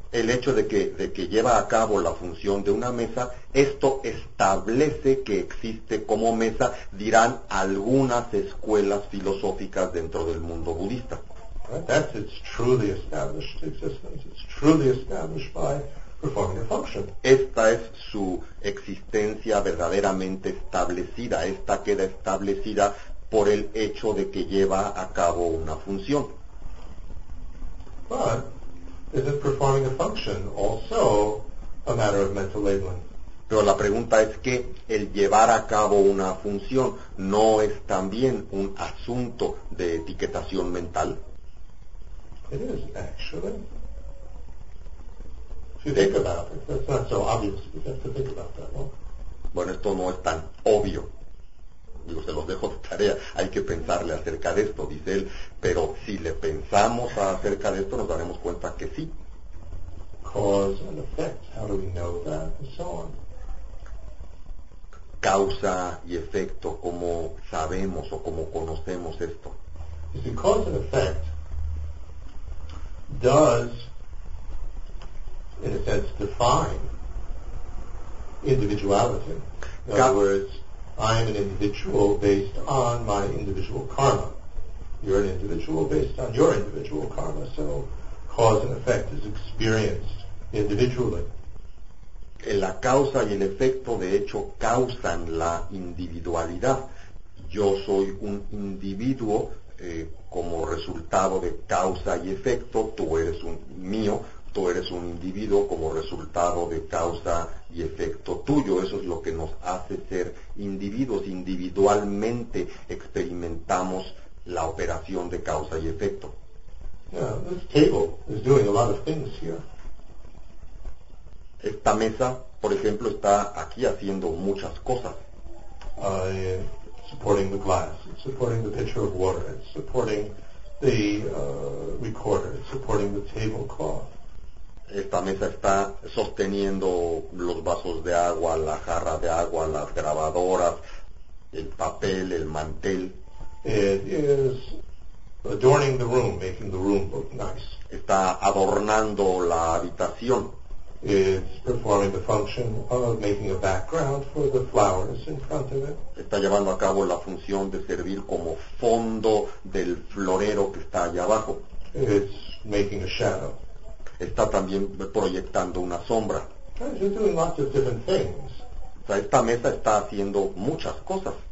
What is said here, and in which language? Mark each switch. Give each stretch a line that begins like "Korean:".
Spanish: El hecho de que lleva a cabo la función de una mesa, esto establece que existe como mesa, dirán algunas escuelas filosóficas dentro del mundo budista.
English: Right, that's its truly established existence. It's truly established by performing a function.
Spanish: Esta es su existencia verdaderamente establecida. Esta queda establecida por el hecho de que lleva a cabo una función.
English: But is it performing a function also a matter of mental labeling?
Spanish: Pero la pregunta es que el llevar a cabo una función no es también un asunto de etiquetación mental.
English: It is actually. If you think about it, that's not so obvious. You have to think about that, no?
Spanish: Bueno, esto no es tan obvio. Digo, se los dejo de tarea, hay que pensarle acerca de esto, dice él, pero si le pensamos acerca de esto, nos daremos cuenta que sí.
English: Cause and effect, how do we know that, and so on.
Spanish: Causa y efecto, ¿cómo sabemos o cómo conocemos esto?
English: Is the cause and effect does, in a sense, define individuality. In other words, I am an individual based on my individual karma. You're an individual based on your individual karma. So, cause and effect is experienced individually.
Spanish: La causa y el efecto, de hecho, causan la individualidad. Yo soy un individuo como resultado de causa y efecto. Tú eres un mío. Tú eres un individuo como resultado de causa y efecto tuyo. Eso es lo que nos hace ser individuos. Individualmente experimentamos la operación de causa y efecto.
English: Yeah, this table is doing a lot of things here.
Spanish: Esta mesa, por ejemplo, está aquí haciendo muchas cosas.
English: Supporting the glass, supporting the pitcher of water, supporting the recorder, supporting the tablecloth.
Spanish: Esta mesa está sosteniendo los vasos de agua, la jarra de agua, las grabadoras, el papel, el mantel.
English: It is adorning the room, making the room look nice.
Spanish: Está adornando la habitación.
English: It's performing the function of making a background for the flowers in front of it.
Spanish: Está llevando a cabo la función de servir como fondo del florero que está allá abajo.
English: It's making a shadow.
Spanish: Está también proyectando una sombra.
English: She's doing lots of different things.
Spanish: O sea, esta mesa está haciendo muchas cosas.